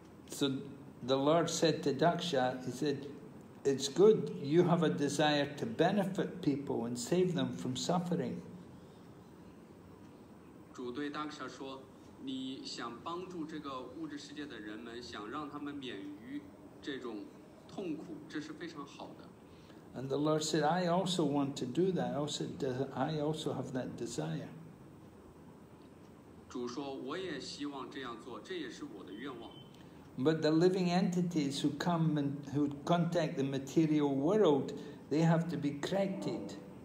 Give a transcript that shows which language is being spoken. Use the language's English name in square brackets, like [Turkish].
[English] So the Lord said to Daksha, he said, it's good, you have a desire to benefit people and save them from suffering. [Chinese] 主对当时说，你想帮助这个物质世界的人们，想让他们免于这种痛苦，这是非常好的。 [English] And the Lord said, I also want to do that. I also have that desire. [Chinese] 主说，我也希望这样做，这也是我的愿望。 [English] But the living entities who come and who contact the material world, they have to be corrected.